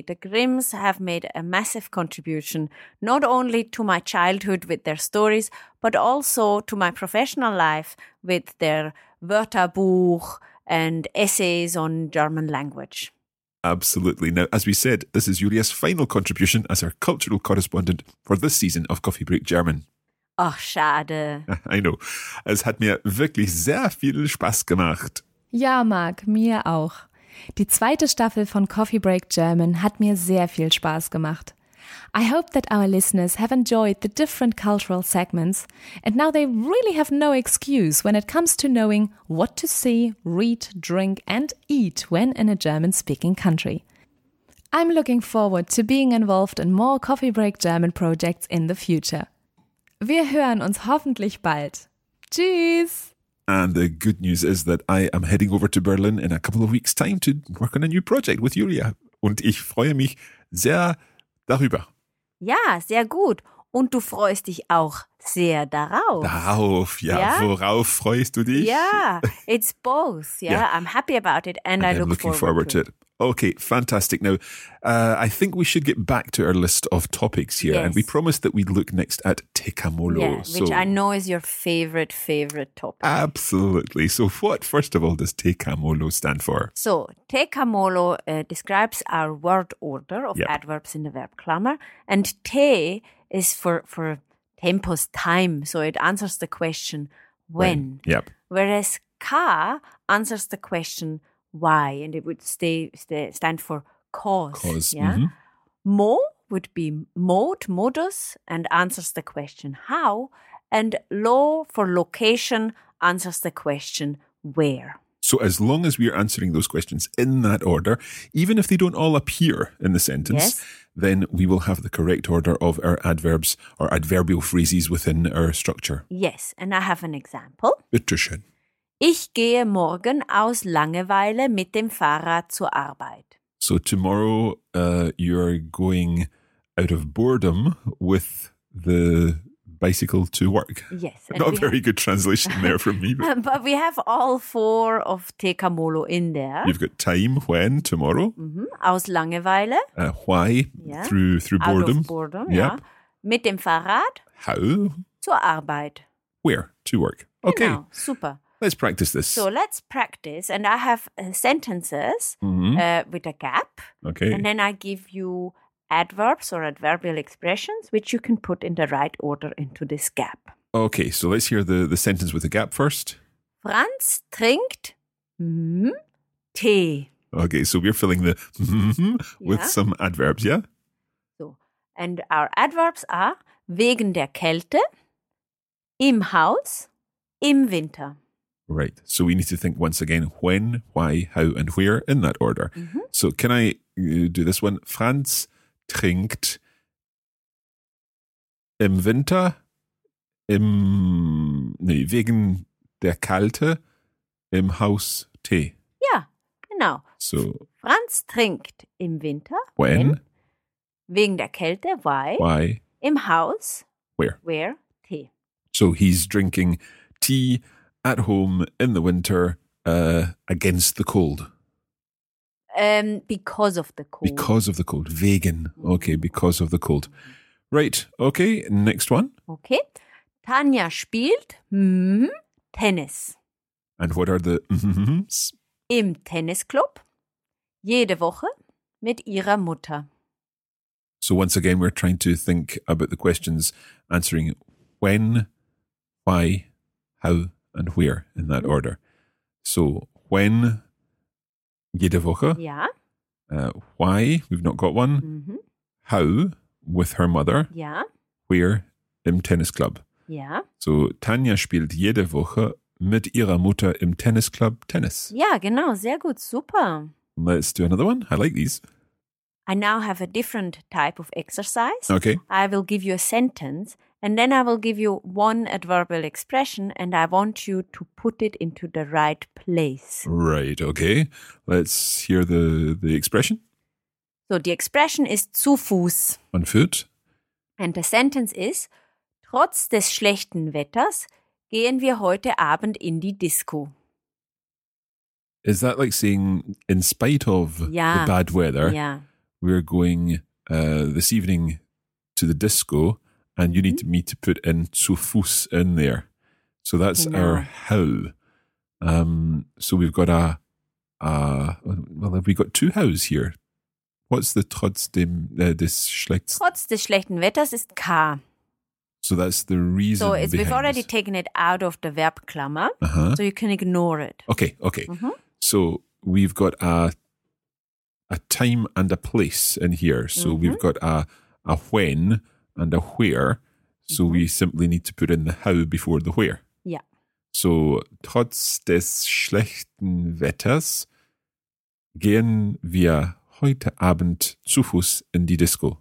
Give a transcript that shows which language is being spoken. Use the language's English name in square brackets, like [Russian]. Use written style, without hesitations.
[English] The Grimms have made a massive contribution, not only to my childhood with their stories, but also to my professional life with their Wörterbuch and essays on German language. Absolutely. Now, as we said, this is Julia's final contribution as our cultural correspondent for this season of Coffee Break German. [German] Ach, schade. [English] I know. [German] Es hat mir wirklich sehr viel Spaß gemacht. Ja, Marc, mir auch. Die zweite Staffel von Coffee Break German hat mir sehr viel Spaß gemacht. [English] I hope that our listeners have enjoyed the different cultural segments, and now they really have no excuse when it comes to knowing what to see, read, drink and eat when in a German-speaking country. I'm looking forward to being involved in more Coffee Break German projects in the future. [German] Wir hören uns hoffentlich bald. Tschüss! [English] And the good news is that I am heading over to Berlin in a couple of weeks' time to work on a new project with Julia. [German] Und ich freue mich sehr darüber. Ja, sehr gut. Und du freust dich auch sehr darauf. Darauf, ja. Yeah? Worauf freust du dich? [English] Ja, yeah, it's both. Yeah? Yeah, I'm happy about it and I look looking forward to it. Okay, fantastic. Now, I think we should get back to our list of topics here. Yes. And we promised that we'd look next at Tecamolo. Yeah, so, which I know is your favorite topic. Absolutely. So what, first of all, does Tecamolo stand for? So Tecamolo describes our word order of adverbs in the verb grammar. And te is for tempus, time. So it answers the question, when. Yep. Whereas ka answers the question, why, and it would stand for cause. Yeah? Mm-hmm. Mo would be mode, modus, and answers the question how. And lo for location answers the question where. So as long as we are answering those questions in that order, even if they don't all appear in the sentence, yes, then we will have the correct order of our adverbs or adverbial phrases within our structure. Yes, and I have an example. [German] Bitte schön. Ich gehe morgen aus Langeweile mit dem Fahrrad zur Arbeit. [English] So tomorrow you're going out of boredom with the bicycle to work. Yes. Not a very good translation there from me. But we have all four of tekamolo in there. You've got time, when, tomorrow. [German] Mm-hmm. Aus Langeweile. [English] Why? Yeah. Through boredom. Out of boredom, yep. Yeah. [German] Mit dem Fahrrad. [English] How? [German] Zur Arbeit. [English] Where? To work. Okay. [German] Genau. Super. [English] Let's practice this. So let's practice. And I have sentences with a gap. Okay. And then I give you adverbs or adverbial expressions, which you can put in the right order into this gap. Okay, so let's hear the sentence with the gap first. [German] Franz trinkt Tee. [English] Okay, so we're filling the with some adverbs, yeah? So, and our adverbs are [German] wegen der Kälte, im Haus, im Winter. [English] Right, so we need to think once again when, why, how, and where in that order. Mm-hmm. So can I do this one? [German] Franz trinkt im Winter wegen der Kälte im Haus Tee. Ja, genau. [English] So [German] Franz trinkt im Winter [English] when [German] wegen der Kälte [English] why [German] im Haus [English] where [German] Tee. [English] So he's drinking tea at home in the winter against the cold. Because of the cold. Because of the cold. Vegan. Okay, because of the cold. Right. Okay, next one. [German] Okay. Tanja spielt Tennis. [English] And what are the mm-hmms? [German] Im Tennisclub. Jede Woche mit ihrer Mutter. [English] So once again, we're trying to think about the questions answering when, why, how, and where in that order. So when... [German] Jede Woche. Ja. [English] Why? We've not got one. Mm-hmm. How? With her mother. [German] Ja. [English] Where? [German] Im Tennisclub. Ja. So Tanja spielt jede Woche mit ihrer Mutter im Tennisclub Tennis. Ja, genau. Sehr gut. Super. [English] Let's do another one. I like these. I now have a different type of exercise. Okay. I will give you a sentence and then I will give you one adverbial expression and I want you to put it into the right place. Right, okay. Let's hear the expression. So the expression is [German] zu Fuß. [English] On foot. And the sentence is, [German] trotz des schlechten Wetters gehen wir heute Abend in die Disco. [English] Is that like saying, in spite of the bad weather? Yeah. We're going this evening to the disco and you need me to put in [German] zu Fuß [English] in there. So that's our how. So we've got have we got two hows here? What's the [German] trotzdem des schlechten? Trotz des schlechten Wetters ist K. [English] So that's the reason. So it's, we've already taken it out of the verb klammer. Uh-huh. So you can ignore it. Okay, okay. Mm-hmm. So we've got a time and a place in here. So we've got a when and a where. So we simply need to put in the how before the where. Yeah. [German] So, trotz des schlechten Wetters gehen wir heute Abend zu Fuß in die Disco.